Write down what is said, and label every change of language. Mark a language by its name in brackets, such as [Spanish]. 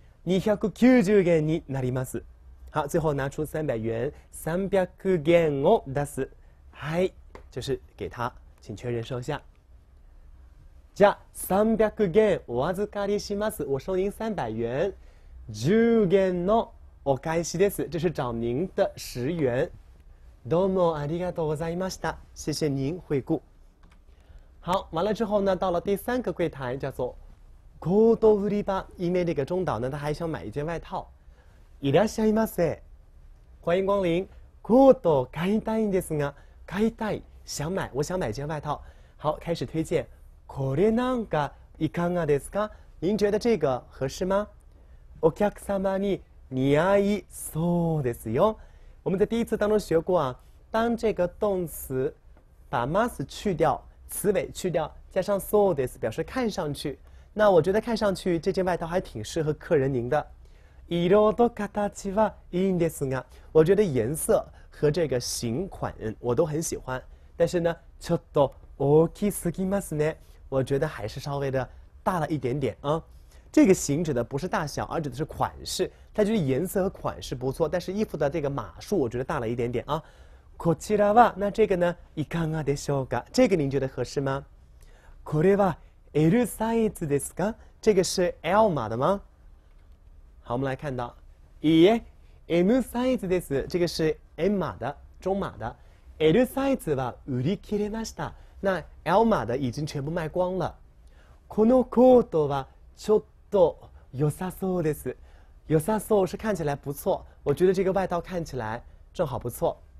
[Japanese] 290元になります。 [Chinese] 好，最后拿出300元， [Japanese] 300元を出す。はい， [Chinese] 就是给他，请确认收下。 [Japanese] じゃ300元お預かりします。 [Chinese] 我收您300元。10元 [Japanese] のお返しです。 [Chinese] 这是找您的10元。 [Japanese] どうもありがとうございました。 [Chinese] 谢谢您惠顾。好，完了之后呢，到了第三个柜台，叫做 [Japanese] コート売り場。 [Chinese] 因为这个中岛呢，他还想买一件外套。 [Japanese] いらっしゃいませ。 [Chinese] 欢迎光临。 [Japanese] コート買いたいんですが、買いたい。 [Chinese] 想买，我想买一件外套。好，开始推荐。 [Japanese] これなんかいかがですか？ [Chinese] 您觉得这个合适吗？ [Japanese] お客様に。似合いそうですよ。 [Chinese] 我们在第一次当中学过啊，当这个动词把 mas 去掉，词尾去掉，加上 [Japanese] そうです [Chinese] 表示看上去。那我觉得看上去这件外套还挺适合客人您的。 [Japanese] 色と形はいいんですが， [Chinese] 我觉得颜色和这个型款我都很喜欢。但是呢， [Japanese] ちょっと大きすぎますね。 [Chinese] 我觉得还是稍微的大了一点点啊。这个型指的不是大小，而指的是款式。它就是颜色和款式不错，但是衣服的这个码数我觉得大了一点点啊。 [Japanese] こちらは、 [Chinese] 那这个呢？ [Japanese] いかがでしょうか？ [Chinese] 这个您觉得合适吗？ [Japanese] これは L サイズですか？ [Chinese] 这个是 L 码的吗？好，我们来看到， [Japanese] いえ、M サイズです。 [Chinese] 这个是 M 码的，中码的。 [Japanese] L サイズは売り切れました。 [Chinese] 那 L 码的已经全部卖光了。 [Japanese] このコートはちょっと良さそうです。 [Chinese] 有さそう是看起来不错，我觉得这个外套看起来正好不错。